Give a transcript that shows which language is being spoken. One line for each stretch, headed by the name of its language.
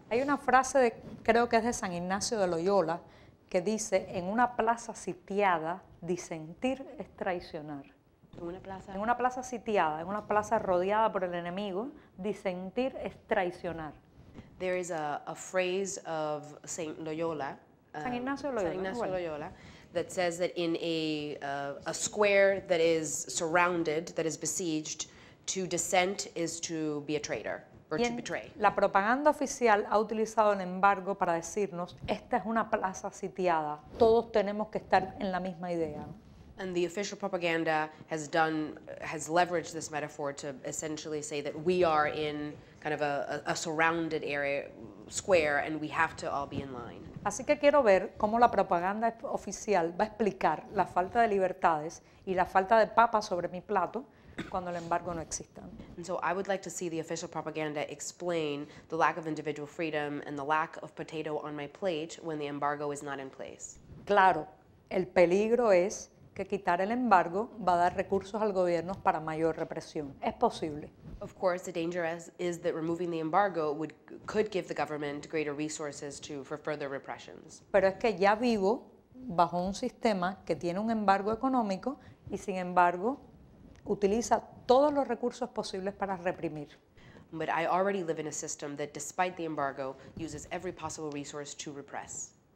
Spanish: Hay una frase de, creo que es de San Ignacio de Loyola, que dice, en una plaza sitiada, disentir es traicionar. En una plaza sitiada, en una plaza rodeada por el enemigo, disentir es traicionar.
English: There is a phrase of Saint Loyola.
Spanish: San Ignacio Loyola. San Ignacio Loyola,
English: that says that in a square that is surrounded, that is besieged, to dissent is to be a traitor or to betray.
Spanish: La propaganda oficial ha utilizado el embargo para decirnos, esta es una plaza sitiada, todos tenemos que estar en la misma idea.
English: And the official propaganda has leveraged this metaphor to essentially say that we are in kind of a surrounded area, square, and we have to all be in line.
Spanish: Así que quiero ver cómo la propaganda oficial va a explicar la falta de libertades y la falta de papas sobre mi plato cuando el embargo no exista.
English: And so I would like to see the official propaganda explain the lack of individual freedom and the lack of potato on my plate when the embargo is not in place.
Spanish: Claro, el peligro es que quitar el embargo va a dar recursos al gobierno para mayor represión. Es posible.
English: Of course, the danger is that removing the embargo could give the government greater resources for further repressions.
Spanish: Pero es que ya vivo bajo un sistema que tiene un embargo económico y sin embargo utiliza todos los recursos posibles para reprimir.
English: But I already live in a system that, despite the embargo, uses every possible resource to repress.